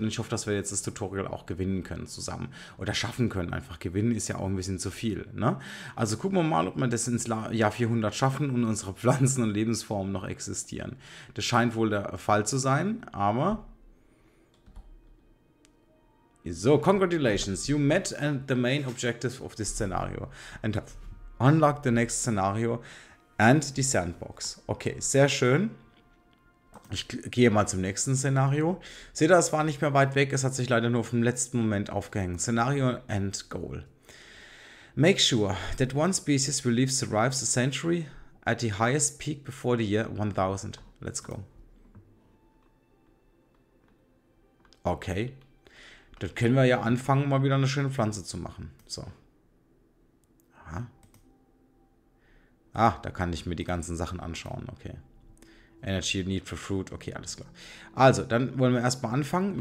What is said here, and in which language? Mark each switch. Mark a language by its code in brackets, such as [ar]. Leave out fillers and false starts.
[de] Und ich hoffe, dass wir jetzt das Tutorial auch gewinnen können zusammen. Oder schaffen können einfach. Gewinnen ist ja auch ein bisschen zu viel. Ne? Also gucken wir mal, ob wir das ins Jahr 400 schaffen und unsere Pflanzen und Lebensformen noch existieren. Das scheint wohl der Fall zu sein, aber... [en] So, congratulations, you met and the main objective of this scenario and have unlocked the next scenario and the sandbox. [de] Okay, sehr schön. Ich gehe mal zum nächsten Szenario. Seht ihr, es war nicht mehr weit weg, es hat sich leider nur auf dem letzten Moment aufgehängt. Szenario [en] and goal. Make sure that one species will live survives a century at the highest peak before the year 1000. Let's go. Okay. [de] Das können wir ja anfangen, mal wieder eine schöne Pflanze zu machen. So. Aha. Ah, da kann ich mir die ganzen Sachen anschauen. Okay. [en] Energy need for fruit. [de] Okay, alles klar. Also, dann wollen wir erstmal anfangen.